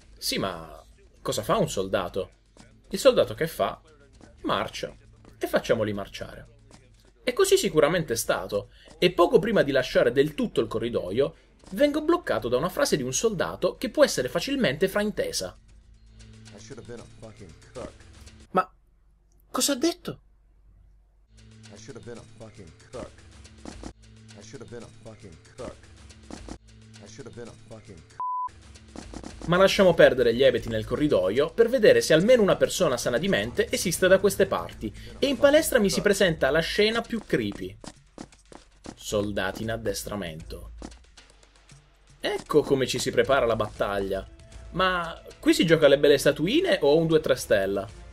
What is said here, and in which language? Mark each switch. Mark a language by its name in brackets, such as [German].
[Italian] Sì, ma cosa fa un soldato? Il soldato che fa? Marcia. E facciamoli marciare. E così sicuramente è stato. E poco prima di lasciare del tutto il corridoio, vengo bloccato da una frase di un soldato che può essere facilmente fraintesa. [English] I should have been a fucking cook. [Italian] Cosa ha detto? [English] I should have been a fucking cook. I should have been a fucking cook. I should have been a fucking cook. [Italian] Ma lasciamo perdere gli ebeti nel corridoio per vedere se almeno una persona sana di mente esiste da queste parti. E in palestra mi si presenta la scena più creepy. Soldati in addestramento. Ecco come ci si prepara la battaglia. Ma qui si gioca alle belle statuine o un 2-3 stella?